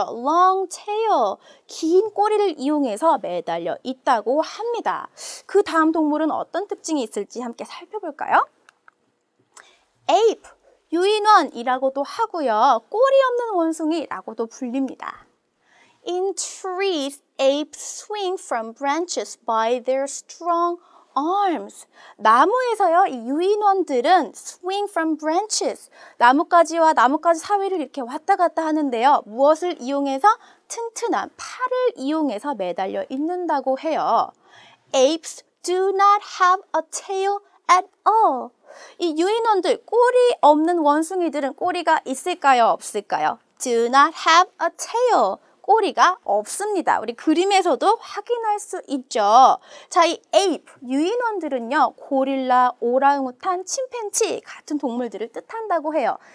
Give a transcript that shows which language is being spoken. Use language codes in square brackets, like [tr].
[en] Long tail, [ko] 긴 꼬리를 이용해서 매달려 있다고 합니다. 그 다음 동물은 어떤 특징이 있을지 함께 살펴볼까요? Ape, 유인원이라고도 하고요, 꼬리 없는 원숭이라고도 불립니다. [en] In trees, apes swing from branches by their strong arms. [ko] 나무에서요, 이 유인원들은 [en] swing from branches, [ko] 나뭇가지와 나뭇가지 사이를 이렇게 왔다 갔다 하는데요. 무엇을 이용해서? 튼튼한 팔을 이용해서 매달려 있는다고 해요. [en] Apes do not have a tail at all. [ko] 이 유인원들, 꼬리 없는 원숭이들은 꼬리가 있을까요, 없을까요? [en] Do not have a tail. [ko] 꼬리가 없습니다. 우리 그림에서도 확인할 수 있죠. 자, 이 ape, 유인원들은요, 고릴라, 오랑우탄, 침팬지 같은 동물들을 뜻한다고 해요.